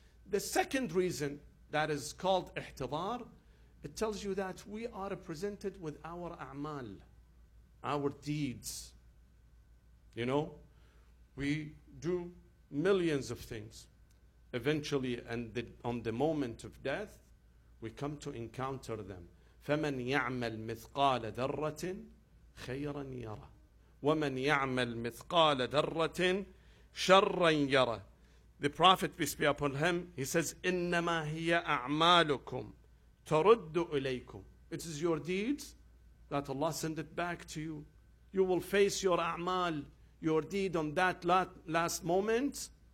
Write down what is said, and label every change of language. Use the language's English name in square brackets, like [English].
[English] The second reason that is called ihtidhar, it tells you that we are presented with our a'mal, our deeds. You know, we do millions of things. Eventually, on the moment of death, we come to encounter them. [Arabic] فمن يعمل مثقال ذرة خيرا يرى ومن يعمل مثقال ذرة شرا يرى. [English] The Prophet peace be upon him, he says, [Arabic] إنما هي أعمالكم ترد إليكم. [English] It is your deeds that Allah send it back to you. You will face your a'mal, your deed on that last moment.